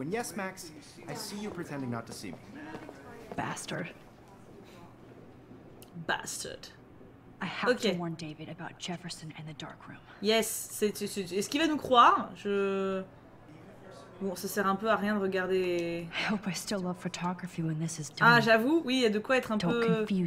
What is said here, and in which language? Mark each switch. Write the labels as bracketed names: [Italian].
[English] And yes, Max, I see you pretending not to see me. Bastard. I have to warn David about Jefferson and the dark room. Yes, [French] c'est. Est-ce qu'il va nous croire? Bon, ça sert un peu à rien de regarder. [English] I hope I still love photography when this is done. [French] Ah, j'avoue, oui, il y a de quoi être un peu.